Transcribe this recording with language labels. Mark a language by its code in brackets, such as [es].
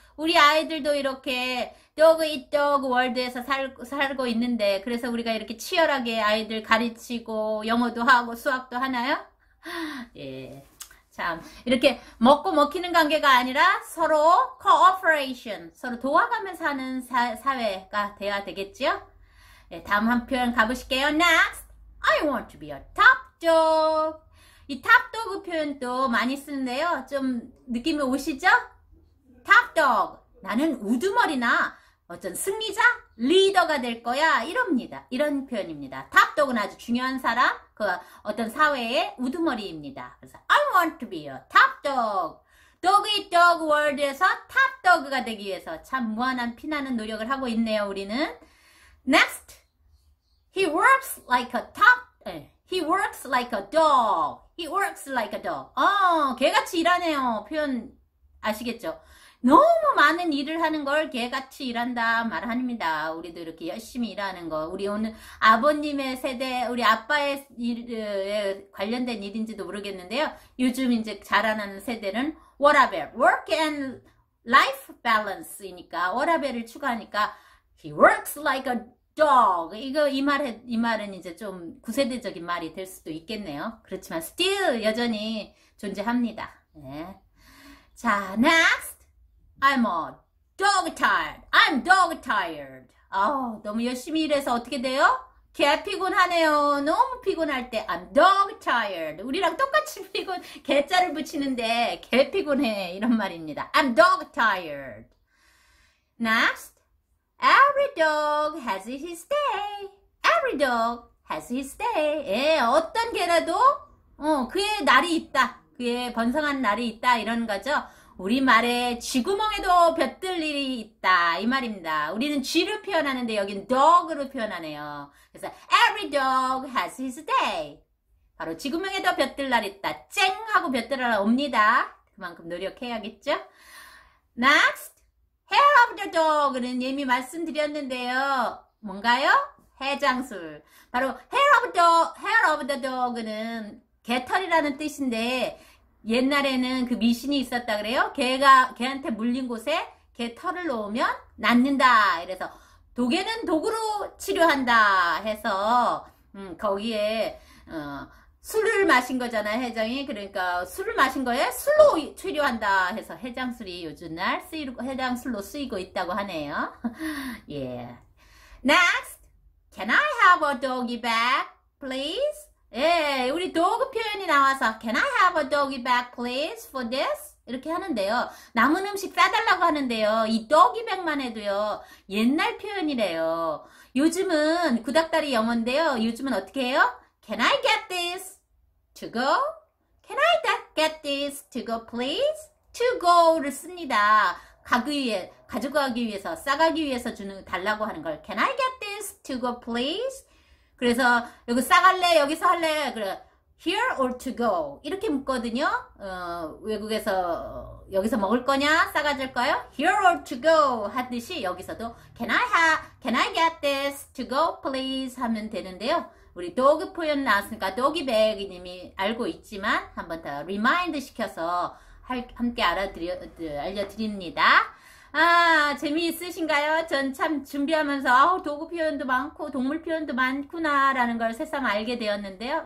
[ko] 우리 아이들도 이렇게 [en] dog eat dog world [ko] 에서 살고 있는데, 그래서 우리가 이렇게 치열하게 아이들 가르치고 영어도 하고 수학도 하나요? 예. 참 이렇게 먹고 먹히는 관계가 아니라 서로 cooperation, 서로 도와가면서 사는 사회가 돼야 되겠죠? 네, 다음 한 표현 가보실게요. [en] Next, I want to be a top dog. [ko] 이 top dog 표현도 많이 쓰는데요. 좀 느낌이 오시죠? Top dog, 나는 우두머리나 어떤 승리자, 리더가 될 거야. 이럽니다. 이런 표현입니다. Top dog은 아주 중요한 사람, 그 어떤 사회의 우두머리입니다. 그래서 [en] I want to be a top dog. [ko] Dog eat dog world에서 top dog가 되기 위해서 참 무한한 피나는 노력을 하고 있네요. 우리는. [en] Next, he works like a top, he works like a dog, he works like a dog. [ko] 개같이 일하네요. 표현 아시겠죠? 너무 많은 일을 하는 걸 개같이 일한다 말합니다. 우리도 이렇게 열심히 일하는 거. 우리 오늘 아버님의 세대, 우리 아빠의 일에 관련된 일인지도 모르겠는데요. 요즘 이제 자라나는 세대는 워라벨, [en] work and life balance [ko] 이니까, 워라벨을 추가하니까 [en] He works like a dog. [ko] 이거 이 말은 이제 좀 구세대적인 말이 될 수도 있겠네요. 그렇지만 [en] still [ko] 여전히 존재합니다. 네. 자, [en] next. I'm a dog tired. I'm dog tired. [ko] 너무 열심히 일해서 어떻게 돼요? 개 피곤하네요. 너무 피곤할 때 [en] I'm dog tired. [ko] 우리랑 똑같이 피곤 개자를 붙이는데 개 피곤해 이런 말입니다. [en] I'm dog tired. Next. Every dog has his day. Every dog has his day. [ko] 예, 어떤 개라도 그의 날이 있다. 그의 번성한 날이 있다. 이런 거죠. 우리말에 쥐구멍에도 볕들 일이 있다. 이 말입니다. 우리는 쥐를 표현하는데 여긴 dog으로 표현하네요. 그래서 [en] every dog has his day. [ko] 바로 쥐구멍에도 볕들 날이 있다. 쨍 하고 볕들 날 옵니다. 그만큼 노력해야겠죠. [en] Next. Hair of the dog [ko] 는 이미 말씀드렸는데요. 뭔가요? 해장술. 바로 [en] hair of the dog [ko] 는 개털이라는 뜻인데 옛날에는 그 미신이 있었다 그래요. 개한테 물린 곳에 개털을 놓으면 낫는다. 이래서 독에는 독으로 치료한다 해서 거기에 술을 마신 거잖아요, 해장이. 그러니까 술을 마신 거에 술로 치료한다 해서 해장술이 요즘 날 쓰이고 해장술로 쓰이고 있다고 하네요. 예. [en] Yeah. Next. Can I have a doggy bag, please? [ko] 예, 우리 도그 표현이 나와서 [en] Can I have a doggy bag, please, for this? [ko] 이렇게 하는데요. 남은 음식 싸달라고 하는데요. 이 doggy bag만 해도요. 옛날 표현이래요. 요즘은 구닥다리 영어인데요. 요즘은 어떻게 해요? [en] Can I get this to go? Can I get this to go, please? [ko] To go를 씁니다. 가져가기 위해서, 싸가기 위해서 달라고 하는 걸. [en] Can I get this to go, please? [ko] 그래서 여기 싸갈래? 여기서 할래? 그래. [en] Here or to go? [ko] 이렇게 묻거든요. 외국에서 여기서 먹을 거냐? 싸가질까요? [en] Here or to go? [ko] 하듯이 여기서도 [en] Can I get this to go, please? [ko] 하면 되는데요. 우리 도그 표현 나왔으니까 도기백님이 알고 있지만 한번 더 리마인드 시켜서 함께 알려드립니다. 아, 재미있으신가요? 전참 준비하면서, 아우, 도구 표현도 많고, 동물 표현도 많구나라는 걸 새삼 알게 되었는데요.